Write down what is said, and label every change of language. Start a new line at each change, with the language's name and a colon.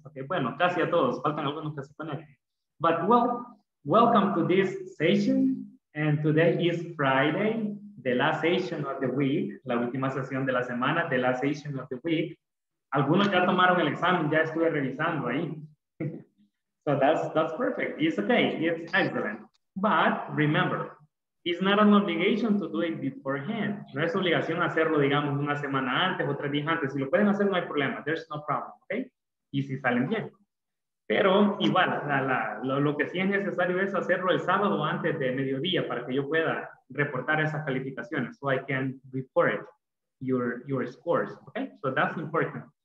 Spanish: Okay, bueno, casi a todos. Faltan algunos que se conecten.
English: But well, welcome to this session. And today is Friday, the last session of the week,
Spanish: la última sesión de la semana,
English: the last session of the week.
Spanish: Algunos ya tomaron el examen, ya estuve revisando ahí.
English: So that's perfect. It's okay. It's excellent. But remember, it's not an obligation to do it beforehand.
Spanish: No es obligación hacerlo, digamos, una semana antes o tres días antes. Si lo pueden hacer, no hay problema.
English: There's no problem, okay?
Spanish: Y si salen bien. Pero igual, lo que sí es necesario es hacerlo el sábado antes de mediodía para que yo pueda reportar esas calificaciones.
English: So I can report your scores, okay? So that's important.